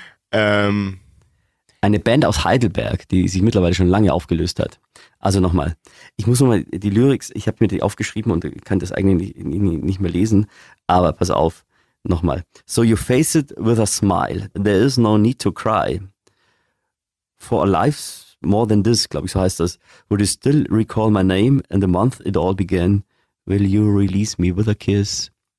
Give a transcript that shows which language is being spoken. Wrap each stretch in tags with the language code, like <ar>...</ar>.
<de>Eine Band aus Heidelberg, die sich mittlerweile schon lange aufgelöst hat. Also nochmal, ich muss nochmal die Lyrics, ich habe mir die aufgeschrieben und kann das eigentlich nicht mehr lesen, aber pass auf, nochmal.</de> <en>So you face it with a smile, there is no need to cry. For a life more than this,</en> <de>glaube ich, so heißt das.</de> <en>Would you still recall my name and the month it all began? Will you release me with a kiss?</en>